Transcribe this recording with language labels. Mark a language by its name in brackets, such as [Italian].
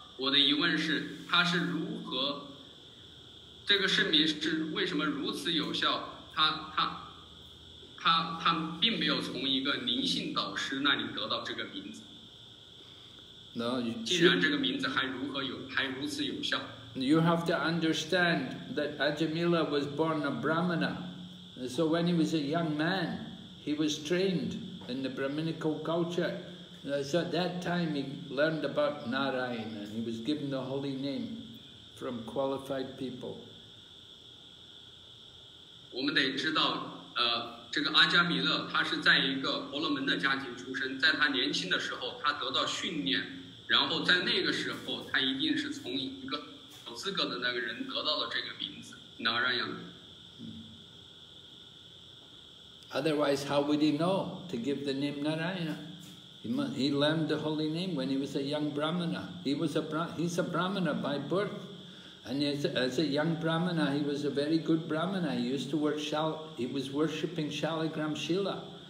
[Chinese] 我的疑问是，他是如何，这个圣名是为什么如此有效？他并没有从一个灵性导师那里得到这个名字。 [English] No, [Chinese] 既然这个名字还如此有效。 [English] You have to understand that Ajamila was born a Brahmana. So when he was a young man, he was trained in the Brahminical culture. So at that time he learned about Narayana and he was given the holy name from qualified people. [Chinese] 我们得知道这个阿迦弥勒他是在一个婆罗门的家庭出生，在他年轻的时候他得到训练，然后在那个时候他一定是从一个有资格的那个人得到了这个名字 Narayana。 [English] Otherwise how would he know to give the name Narayana? He learned the holy name when he was a young brahmana. He's a brahmana by birth. And as a young brahmana, he was a very good brahmana. He used to he was worshipping Shaligram Shila.